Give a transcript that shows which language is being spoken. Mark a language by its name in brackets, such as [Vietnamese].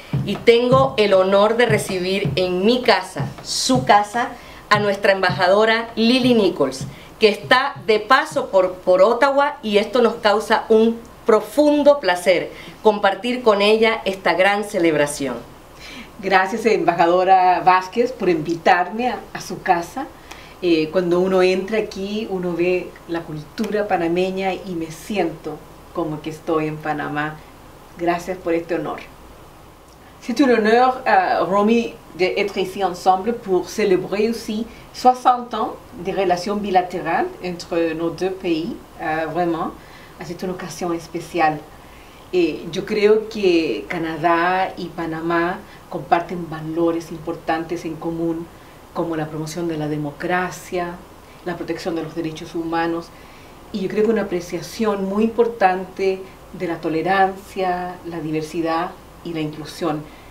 [Spanish] Y tengo el honor de recibir en mi casa, su casa, a nuestra embajadora Lily Nichols, que está de paso por Ottawa, y esto nos causa un profundo placer compartir con ella esta gran celebración. Gracias, embajadora Vázquez, por invitarme a su casa. Cuando uno entra aquí, uno ve la cultura panameña y me siento como que estoy en Panamá. Gracias por este honor. [French] C'est un honneur, Romy, d'être ici ensemble pour célébrer aussi 60 ans de relations bilatérales entre nos deux pays. Vraiment, c'est une occasion spéciale. [Spanish] Yo creo que Canadá y Panamá comparten valores importantes en común, como la promoción de la democracia, la protección de los derechos humanos, y yo creo que una apreciación muy importante de la tolerancia, la diversidad y la inclusión.